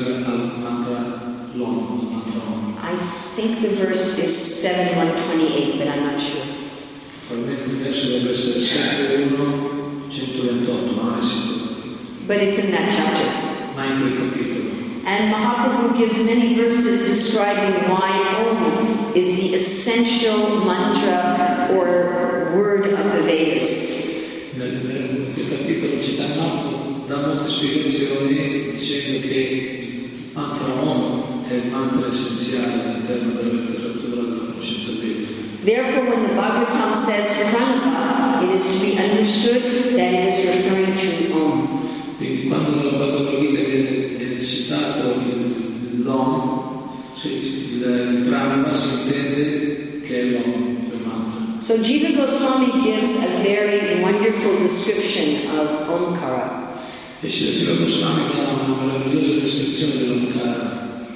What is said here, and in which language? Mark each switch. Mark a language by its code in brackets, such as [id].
[en] I think the verse is 7128, but I'm not sure. [it] Probabilmente invece dovrebbe essere 7.1.128, ma non è sicuro. [en] But it's in that chapter. [it] Ma in quel capitolo. [en] And Mahaprabhu gives many verses describing why Om is the essential mantra or word of the Vedas. [it] Nel capitolo ci dà molte spiegazioni dicendo che il mantra Om è il mantra essenziale all'interno della letteratura della conoscenza vedica. [en] Therefore, when the Bhagavatam says pranava, it is to be understood that it is referring to Om. [it] Quindi quando nella Bhagavad Gita viene citato l'Om, il pranava si intende che è l'Om, il mantra. [en] So Jiva Goswami gives a very wonderful description of Omkara. [it] E Jiva Goswami dà una meravigliosa descrizione dell'Omkara.